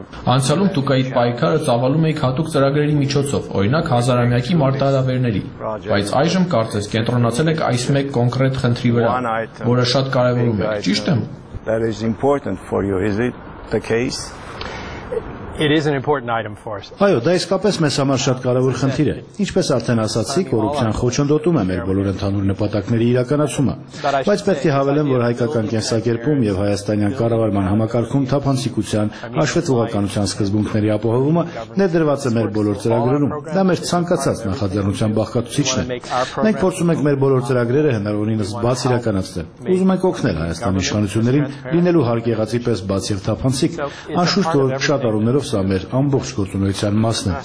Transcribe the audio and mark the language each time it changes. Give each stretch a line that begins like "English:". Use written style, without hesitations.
Armenian: Անցյալում դուք այդ պայքարը ծավալում էիք հատուկ ծրագրերի միջոցով, օրինակ հազարամյակի մարտահրավերների, բայց այժմ կարծես կենտրոնացել եք այս մեկ կոնկրետ խնդրի վրա, որը շատ կարևոր է, ճիշտ եմ։
English: That is important for you, is it the case? It is an important item for us.
Armenian: Այո, դա իսկապես մեզ համար շատ կարևոր խնդիր է։ Ինչպես արդեն ասացի, կոռուպցիան խոչընդոտում է մեր բոլոր ընդհանուր նպատակների իրականացումը։ Բայց պետք է հավելեմ, որ հայկական կենսակերպում եւ հայաստանյան կառավարման համակարգում թափանցիկության, հաշվետվողականության սկզբունքների ապահովումը ներդրված է մեր բոլոր ծրագրերում։ Դա մեր ցանկացած նախաձեռնության բաղկացուցիչն է։ Մենք փորձում ենք մեր բոլոր ծրագրերը հնարավորինս բաց իրականացնել։ Ուզում ենք օգնել Հայաստանի իշխանություններին լինելու հարգեղածի պես բաց եւ թափանցիկ։ Անշուշտ որ շատ առումներ
English: of summer
Armenian: ամբողջ գործունեության մասն է։